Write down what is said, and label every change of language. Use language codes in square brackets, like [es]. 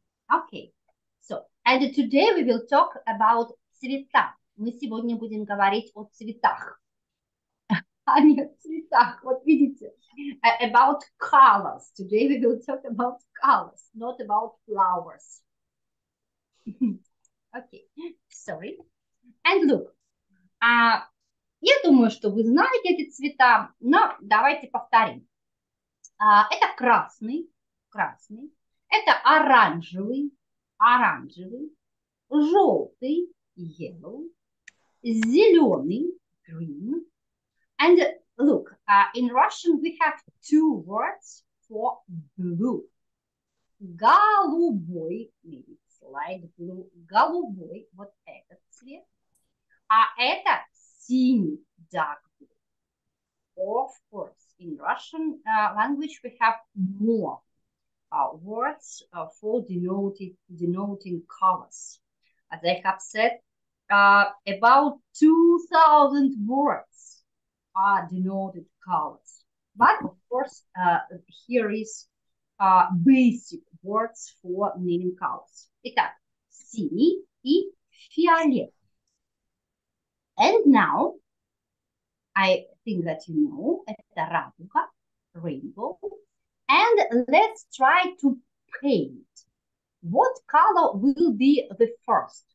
[en] Okay, so, and today we will talk about цвета. [ru] Мы сегодня будем говорить о цветах. они в цветах. Вот видите, [en] about colors. Today we will talk about colors, not about flowers. Okay, sorry. And look, [ru] я думаю, что вы знаете эти цвета, но давайте повторим. Это красный, красный. Это оранжевый, оранжевый. Желтый, yellow. Зеленый, green. [en] And look, in Russian we have two words for blue. [ru] Голубой, [en] maybe it's light blue. [ru] Голубой, вот этот цвет. А это синий, [en] dark blue. Of course, in Russian language we have more words for denoting colors. As I have said, about 2,000 words are denoted colors. But, of course, here is basic words for naming colors. [ru] Итак, синий и фиолетовый. [en] And now, I think that you know, [ru] это радуга, [en] rainbow. And let's try to paint. What color will be the first?